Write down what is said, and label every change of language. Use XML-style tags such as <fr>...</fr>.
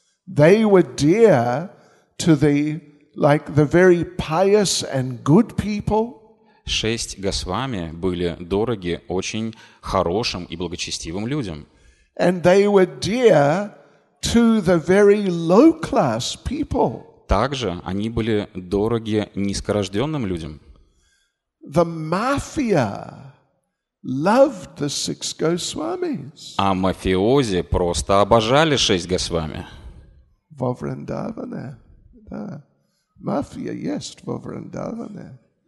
<en>They were dear to the, like, the very pious and good people.</en> <ru>Шесть Госвами были дороги очень хорошим и благочестивым людям.</ru> <en>And they were dear to the very low-class people.</en> <ru>Также они были дороги низкорожденным людям.</ru> <en>The mafia loved the six Goswamis.</en> <ru>А мафиози просто обожали шесть Госвами. Во Вриндаване, да. Мафия есть во Вриндаване.</ru>